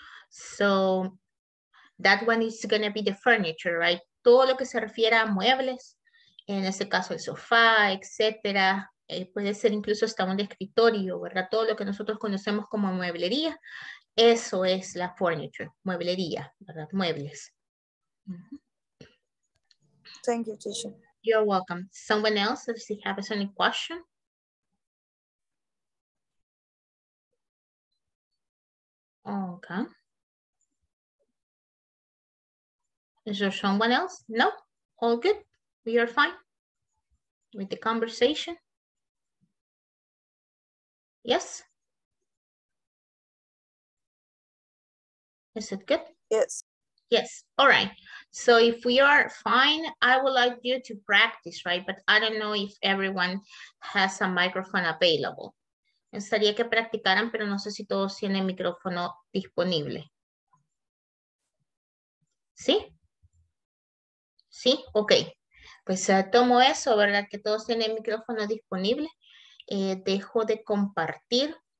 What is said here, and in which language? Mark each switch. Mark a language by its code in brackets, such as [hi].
[en] So, that one is going to be the furniture, right? [es] Todo lo que se refiere a muebles, en este caso el sofá, etcétera, puede ser incluso hasta un escritorio, ¿verdad? Todo lo que nosotros conocemos como mueblería, eso es la furniture, mueblería, ¿verdad? Muebles. [en] Thank you, teacher. You're welcome. Someone else, if you have any question? Okay. Is there someone else? No? All good? We are fine with the conversation? Yes? Is it good? Yes. Yes. All right. So if we are fine, I would like you to practice, right? But I don't know if everyone has a microphone available. [es] Estaría que practicaran, pero no sé si todos tienen micrófono disponible. ¿Sí? ¿Sí? Ok. Pues tomo eso, ¿verdad? Que todos tienen micrófono disponible. Dejo de compartir.